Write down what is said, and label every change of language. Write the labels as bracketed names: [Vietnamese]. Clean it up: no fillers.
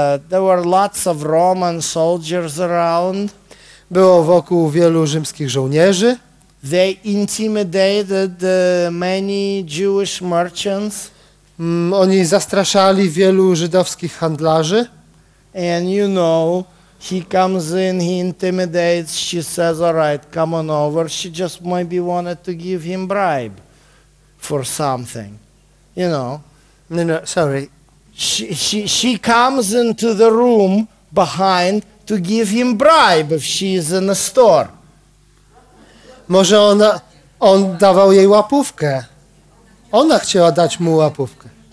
[English] There were lots of Roman soldiers around. [Polish] Było wokół wielu rzymskich żołnierzy. [English] They intimidated many Jewish merchants. [Polish] Oni zastraszali wielu żydowskich handlarzy. [English] And you know, he comes in, he intimidates, she says, "All right, come on over." She just maybe wanted to give him bribe for something, you know. No, sorry. She comes into the room behind to give him bribe if she is in a store. [Polish] Może on dawał jej łapówkę. Ona chciała dać mu łapówkę.